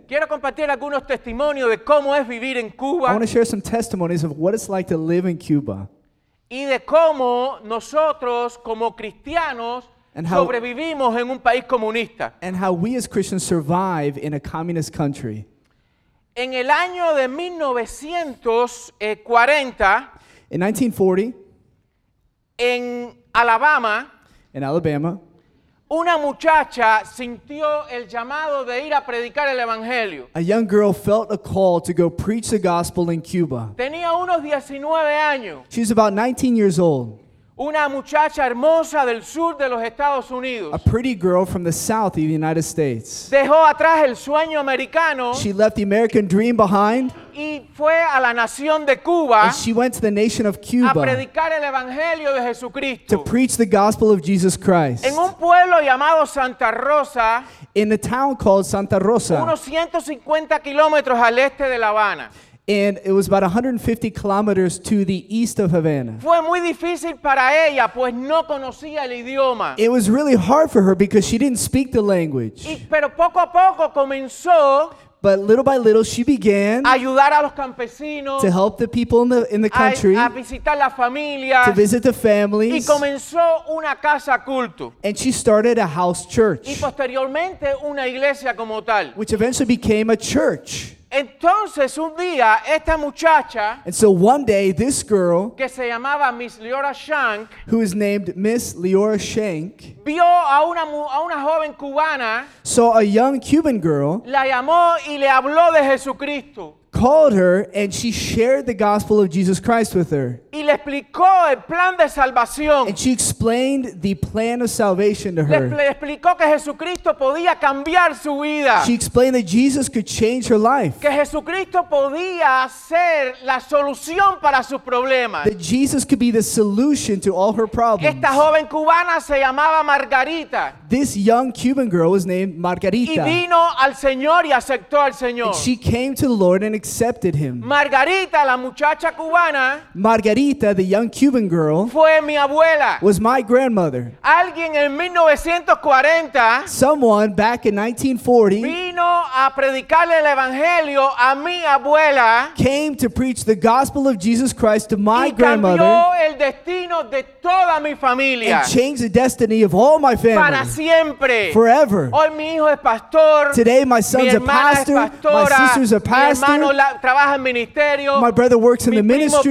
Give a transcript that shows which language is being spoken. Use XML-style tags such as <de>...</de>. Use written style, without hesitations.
<es>Quiero compartir algunos testimonios de cómo es vivir en Cuba.</es> <en>I want to share some testimonies of what it's like to live in Cuba.</en> <es>Y de cómo nosotros como cristianos sobrevivimos en un país comunista.</es> <en>And how we as Christians survive in a communist country.</en> <es>En el año de 1940,</es> <en>in 1940,</en> <es>en Alabama,</es> <en>in Alabama,</en> <es>una muchacha sintió el llamado de ir a predicar el evangelio.</es> <en>A young girl felt a call to go preach the gospel in Cuba.</en> <es>Tenía unos 19 años.</es> <en>She's about 19 years old.</en> <es>Una muchacha hermosa del sur de los Estados Unidos.</es> <en>A pretty girl from the south of the United States.</en> <es>Dejó atrás el sueño americano.</es> <en>She left the American dream behind.</en> <es>Y fue a la nación de Cuba.</es> <en>And she went to the nation of Cuba.</en> <es>A predicar el evangelio de Jesucristo.</es> <en>To preach the gospel of Jesus Christ.</en> <es>En un pueblo llamado Santa Rosa.</es> <en>In a town called Santa Rosa.</en> <es>Unos 150 kilómetros al este de La Habana.</es> <en>And it was about 150 kilometers to the east of Havana.</en> <es>Fue muy difícil para ella, pues no conocía el idioma.</es> <en>It was really hard for her because she didn't speak the language.</en> <es>Y, pero poco a poco comenzó.</es> <en>But little by little, she began</en> <es>ayudar a los campesinos,</es> <en>to help the people in the country,</en> <es>a visitar las familias,</es> <en>to visit the families,</en> <es>y comenzó una casa culto.</es> <en>And she started a house church,</en> <es>y posteriormente una iglesia como tal,</es> <en>which eventually became a church.</en> <es>Entonces un día esta muchacha,</es> <en>and so one day this girl,</en> <es>que se llamaba Miss Leora Shank,</es> <en>who is named Miss Leora Shank,</en> <es>vio a una joven cubana,</es> <en>saw a young Cuban girl,</en> <es>la llamó y le habló de Jesucristo,</es> <en>called her and she shared the gospel of Jesus Christ with her,</en> <es>y le explicó el plan de salvación,</es> <en>and she explained the plan of salvation to her.</en> <es>Le explicó que Jesucristo podía cambiar su vida.</es> <en>She explained that Jesus could change her life,</en> <es>que Jesucristo podía ser la solución para sus problemas,</es> <en>that Jesus could be the solution to all her problems.</en> <es>Esta joven cubana se llamaba Margarita.</es> <en>This young Cuban girl was named Margarita,</en> <es>y vino al Señor y aceptó al Señor,</es> <en>and she came to the Lord and accepted him.</en> <es>Margarita, la muchacha cubana,</es> <en>Margarita, the young Cuban girl,</en> <es>fue mi abuela,</es> <en>was my grandmother.</en> <es>Alguien en 1940,</es> <en>someone back in 1940,</en> <es>vino a predicarle el evangelio a mi abuela,</es> <en>came to preach the gospel of Jesus Christ to my grandmother,</en> <es>y cambió el destino de toda mi familia,</es> <en>and changed the destiny of all my family,</en> <es>para siempre,</es> <en>forever.</en> <es>Hoy mi hijo es pastor,</es> <en>today my son's a pastor,</en> <es>pastora,</es> <en>my sister's a pastor, my brother works in the ministry,</en>